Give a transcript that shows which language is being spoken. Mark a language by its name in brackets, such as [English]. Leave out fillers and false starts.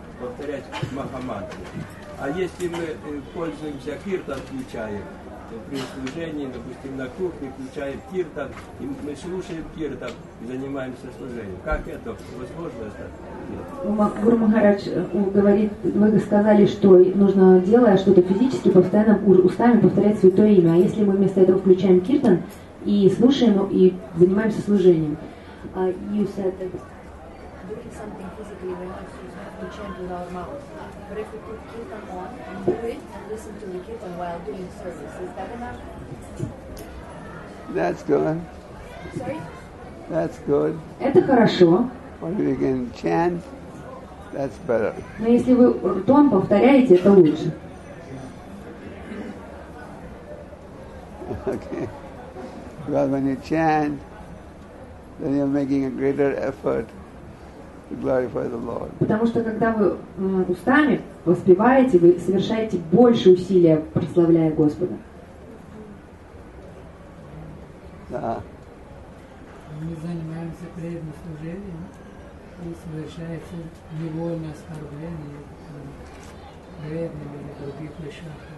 [Russian] Повторять Махамантру. А если мы пользуемся киртан, включаем при служении, допустим, на кухне, включаем киртан, и мы слушаем киртан и занимаемся служением. Как это возможно? Гуру Махарадж говорит, вы сказали, что нужно, делая что-то физически, постоянно устами повторять святое имя. А если мы вместо этого включаем киртан и слушаем, и занимаемся служением? [English] You said that doing something physically, we have to chant with our mouth. But if we put kirtan on and do it and listen to the kirtan while doing service, is that enough? That's good. Sorry? That's good. [Russian] Это хорошо. [English] But if you can chant, that's better. [Russian] Но если вы ртом повторяете, это лучше. [English] Okay. Because when you chant, then you're making a greater effort. Glorify the Lord. [Russian] Потому что когда вы устами воспеваете, вы совершаете больше усилия, прославляя Господа. Да. Мы занимаемся преданным служением и совершается невольное оскорбление преданным или других вещах.